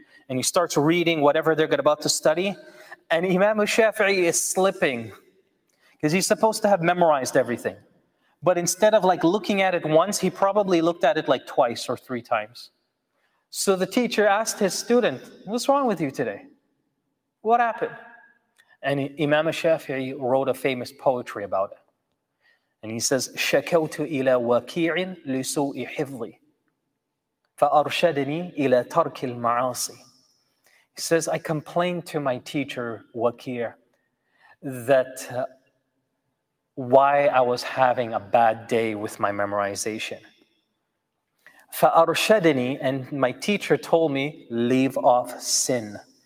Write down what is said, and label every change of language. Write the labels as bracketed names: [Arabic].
[English] And he starts reading whatever they're about to study. And Imam Shafi'i is slipping, because he's supposed to have memorized everything. But instead of like looking at it once, he probably looked at it like twice or three times. So the teacher asked his student, what's wrong with you today? What happened? And Imam Shafi'i wrote a famous poetry about it. And he says, [Arabic] شَكَوْتُ إِلَى وَكِيعٍ لِسُوءِ حِفْظِي فَأَرْشَدَنِي إِلَى تَرْكِ الْمَعَاصِي. [English] He says, I complained to my teacher, Wakir, that why I was having a bad day with my memorization. [Arabic] فَأَرْشَدَنِي, [English] and my teacher told me, leave off sin.